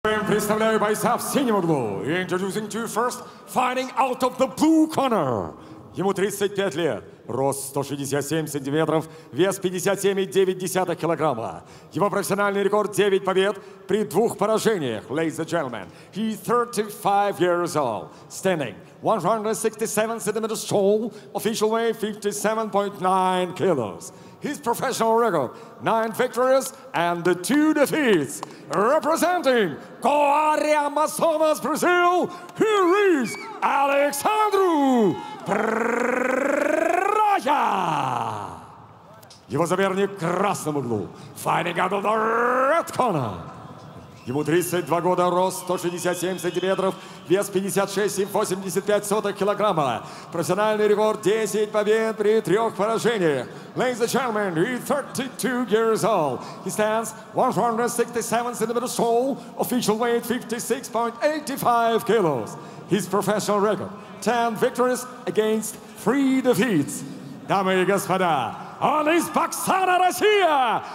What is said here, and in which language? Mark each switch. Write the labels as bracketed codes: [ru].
[ru] Представляю бойца в синем углу. [en] Introducing to you first, fighting out of the blue corner. [ru] Ему 35 лет, рост 167 сантиметров, вес 57,9 килограмма. Его профессиональный рекорд 9 побед при 2 поражениях. [en] Ladies and gentlemen, he 35 years old, standing 167 centimeters tall, official weight 57.9 kilos. His professional record, 9 victories and 2 defeats. Representing Coari Amazonas, Brazil, here is Alexandru Praja. [ru] Его соперник в красном углу. [en] Fighting out of the red corner. [ru] Ему 32 года, рост 167 сантиметров, вес 56,85 килограмма. Профессиональный рекорд 10 побед при 3 поражениях. [en] Ladies and gentlemen, he's 32 years old. He stands 167 centimeters tall, official weight 56.85 kilos. His professional record, 10 victories against 3 defeats. [ru] Дамы и господа, он из Баксана, Россия!